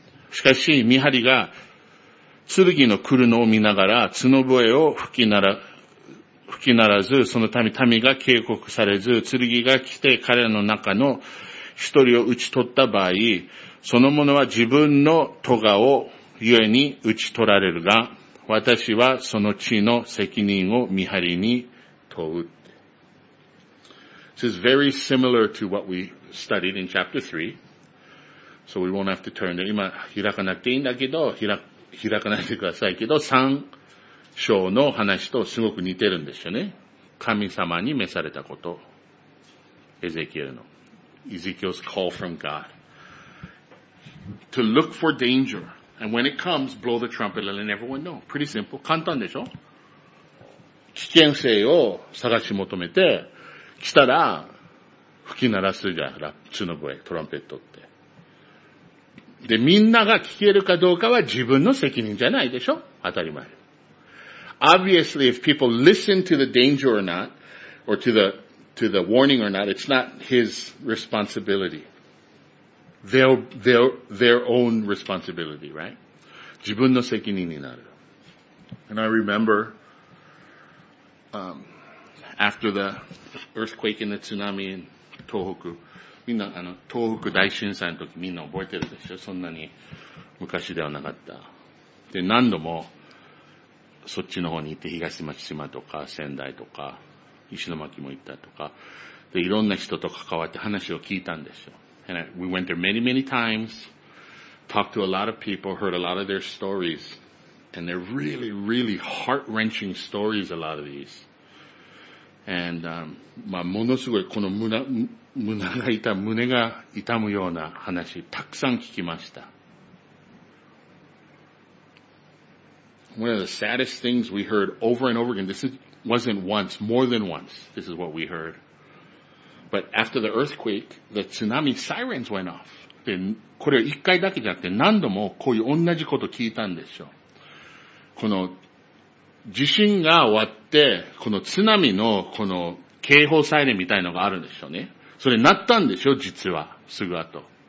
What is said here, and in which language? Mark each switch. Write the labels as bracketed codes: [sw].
[ja] しかし、見張りが、剣の来るのを見ながら、角笛を吹き鳴らず、そのため民が警告されず、剣が来て彼らの中の一人を討ち取った場合、その者は自分の咎をゆえに討ち取られるが、私はその地の責任を見張りに、 [en] This is very similar to what we studied in chapter 3. So we won't have to turn there. [ja] 今開かなくていいんだけど、開かないでくださいけど、3章の話とすごく似てるんですよね。神様に召されたこと。エゼキエルの。 [en] Ezekiel's call from God. To look for danger. And when it comes, blow the trumpet and let everyone know. Pretty simple. [ja] 簡単でしょ? 危険性を探し求めて、来たら、吹き鳴らすじゃん、角笛、トランペットって。で、みんなが聞けるかどうかは自分の責任じゃないでしょ? 当たり前。 [en] Obviously, if people listen to the danger or not, or to the warning or not, it's not his responsibility. Their own responsibility, right? [ja] 自分の責任になる。 [en] And I remember,after the earthquake and the tsunami in Tohoku. [ja] みんな、東北大震災の時みんな覚えてるでしょ?そんなに昔ではなかった。で、何度もそっちの方に行って東松島とか仙台とか石巻も行ったとか、で、いろんな人と関わって話を聞いたんでしょ。 [en] And we went there many, many times, talked to a lot of people, heard a lot of their stories. And they're really, really heart-wrenching stories, a lot of these. And, [ja] まあ、ものすごい、この胸が痛むような話、たくさん聞きました。 [en] One of the saddest things we heard over and over again, this wasn't once, more than once, this is what we heard. But after the earthquake, the tsunami sirens went off. [ja] で、これ一回だけじゃなくて、何度もこういう同じこと聞いたんでしょ。この地震が終わって、この津波のこの警報サイレンみたいのがあるんでしょうね。それなったんでしょ、実は。すぐ後。